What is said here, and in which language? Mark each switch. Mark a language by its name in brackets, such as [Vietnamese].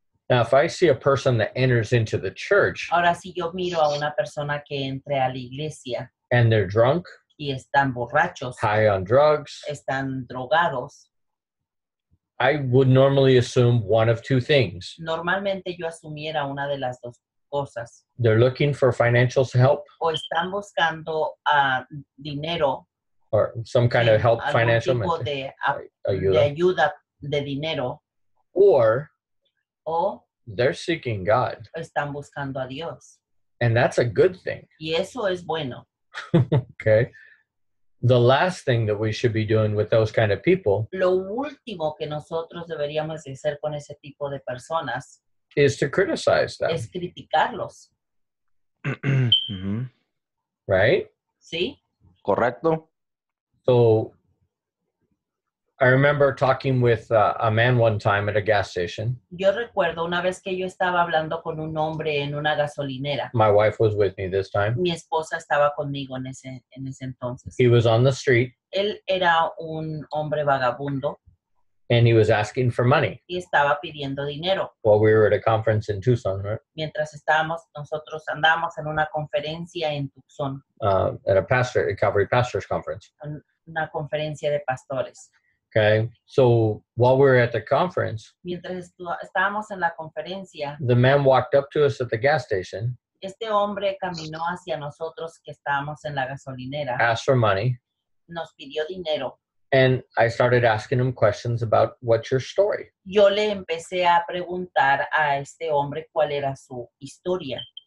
[English] Now, if I see a person that enters into the church, [Spanish] ahora, si yo miro a una persona que entre a la iglesia, [English] and they're drunk, [Spanish] y están borrachos, [English] high on drugs, [Spanish] están drogados, [English] I would normally assume one of two things. [Spanish] Normalmente yo asumiera una de las dos cosas. [English] They're looking for financial help. [Spanish] O están buscando dinero. [English] Or some kind of help, [Spanish] algún [English] financial [Spanish] tipo de, ayuda. De ayuda de dinero. [English] Or, [Spanish] o [English] they're seeking God. [Spanish] Están buscando a Dios. [English] And that's a good thing. [Spanish] Y eso es bueno. [English] Okay. The last thing that we should be doing with those kind of people, [Spanish] lo último que nosotros deberíamos hacer con ese tipo de personas, [English] is to criticize them. [Spanish] Es criticarlos. [English] Right? [Spanish] Sí. Correcto. [English] So, I remember talking with a man one time at a gas station. [Spanish] Yo recuerdo una vez que yo estaba hablando con un hombre en una gasolinera. [English] My wife was with me this time. [Spanish] Mi esposa estaba conmigo en ese entonces. [English] He was on the street. [Spanish] Él era un hombre vagabundo. [English] And he was asking for money. [Spanish] Y estaba pidiendo dinero. [English] While we were at a conference in Tucson, right? [Spanish] Mientras estábamos, nosotros andábamos en una conferencia en Tucson. [English] At a pastor, a Calvary Pastors Conference. [Spanish] Una conferencia de pastores. [English] Okay, so while we were at the conference, [Spanish] mientras estábamos en la conferencia, [English] the man walked up to us at the gas station. [Spanish] Este hombre caminó hacia nosotros que estábamos en la gasolinera. [English] Asked for money. [Spanish] Nos pidió dinero. [English] And I started asking him questions about what's your story. [Spanish] Yo le empecé a preguntar a este hombre cuál era su historia.